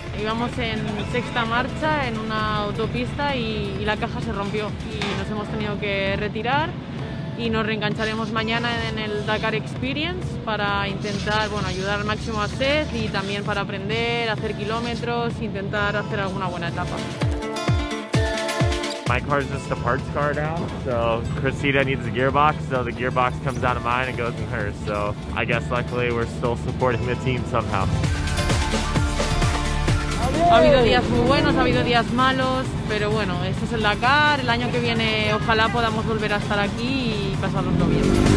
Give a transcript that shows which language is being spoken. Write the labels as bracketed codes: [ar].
[es] Íbamos en sexta marcha en una autopista y la caja se rompió y nos hemos tenido que retirar y nos reengancharemos mañana en el Dakar Experience para intentar, bueno, ayudar al máximo a Seth y también para aprender, hacer kilómetros, intentar hacer alguna buena etapa. [en] My car is just a parts car now, so Christina needs a gearbox, so the gearbox comes out of mine and goes in hers, so I guess luckily we're still supporting the team somehow. [es] Ha habido días muy buenos, ha habido días malos, pero bueno, esto es el Dakar. El año que viene ojalá podamos volver a estar aquí y pasárnoslo bien.